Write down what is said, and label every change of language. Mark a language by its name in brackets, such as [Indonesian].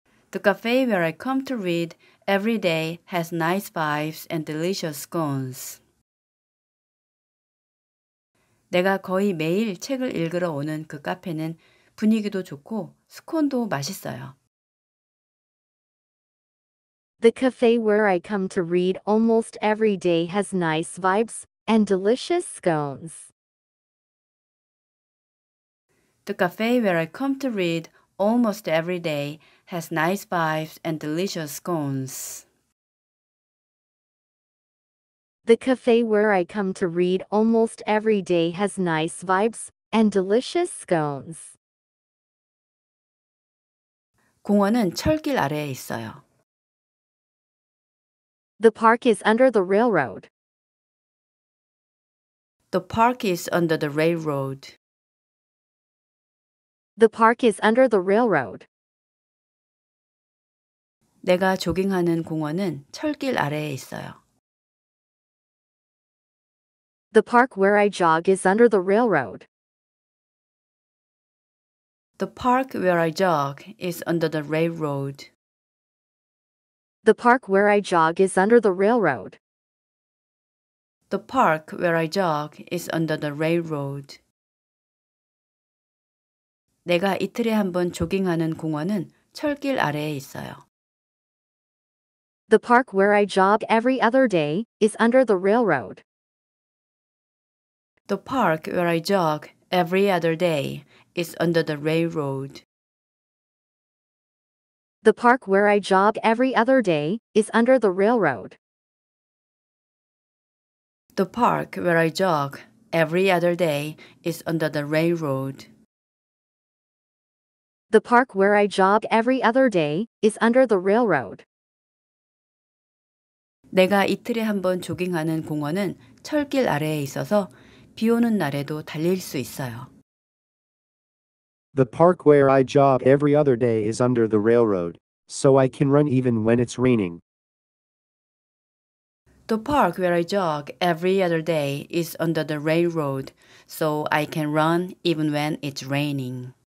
[English] The cafe where I come to read every day has nice vibes and delicious scones. [Korean] 내가 거의 매일 책을 읽으러 오는 그 카페는 분위기도 좋고 스콘도 맛있어요. [English] The cafe where I come to read almost every day has nice vibes and delicious scones. The cafe where I come to read almost every day has nice vibes and delicious scones. The cafe where I come to read almost every day has nice vibes and delicious scones. [Korean] 공원은 철길 아래에 있어요. [English] The park is under the railroad. The park is under the railroad. The park is under the railroad. [Korean] 내가 조깅하는 공원은 철길 아래에 있어요. [English] The park where I jog is under the railroad. The park where I jog is under the railroad. The park where I jog is under the railroad. The park where I jog is under the railroad. [Korean] 내가 이틀에 한 번 조깅하는 공원은 철길 아래에 있어요. [English] The park where I jog every other day is under the railroad. The park where I jog every other day is under the railroad. The park where I jog every other day is under the railroad. The park where I jog every other day is under the railroad. The park where I jog every other day is under the railroad. [Korean] 내가 이틀에 한 번 조깅하는 공원은 철길 아래에 있어서 비 오는 날에도 달릴 수 있어요. [English] The park where I jog every other day is under the railroad, so I can run even when it's raining. The park where I jog every other day is under the railroad, so I can run even when it's raining.